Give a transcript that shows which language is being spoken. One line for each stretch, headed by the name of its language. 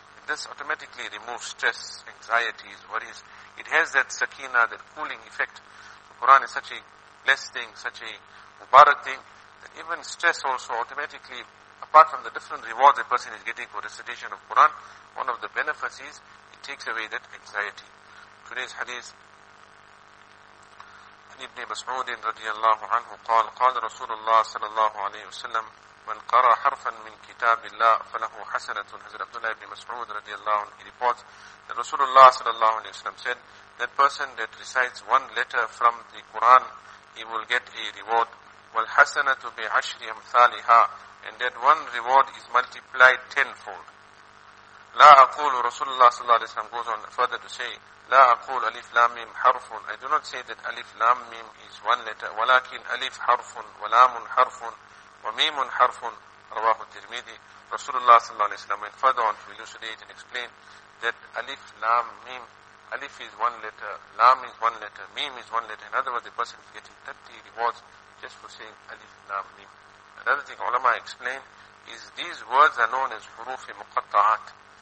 English: This automatically removes stress, anxieties, worries. It has that sakina, that cooling effect. So Quran is such a blessed thing, such a mubarak thing, that even stress also automatically, apart from the different rewards a person is getting for recitation of Quran, one of the benefits is it takes away that anxiety. Today's hadith,
Arabic: ابن مسعود رضي الله عنه قال قال رسول الله صلى الله عليه وسلم من قرأ حرفا من كتاب الله فله حسنة.
English: حضرت عبد الله بن مسعود رضي الله عنه reports that رسول الله صلى الله عليه وسلم said that person that recites one letter from the Quran he will get a reward.
Arabic: والحسنة بعشر أمثالها,
English: and that one reward is multiplied tenfold.
Arabic: لا أقول, رسول الله صلى الله عليه وسلم
English: goes on further to say,
Arabic: لا أقول ألف لام ميم حرف.
English: I do not say that ألف لام ميم is one letter.
Arabic: ولكن ألف حرف ولام حرف وميم حرف. رواه الترمذي.
English: رسول الله صلى الله عليه وسلم went further on to elucidate and explain that ألف لام ميم, ألف is one letter, لام is one letter, ميم is one letter. In other words, the person is getting 30 rewards just for saying ألف لام ميم. Another thing ulama explained is these words are known as حروف مقطعات.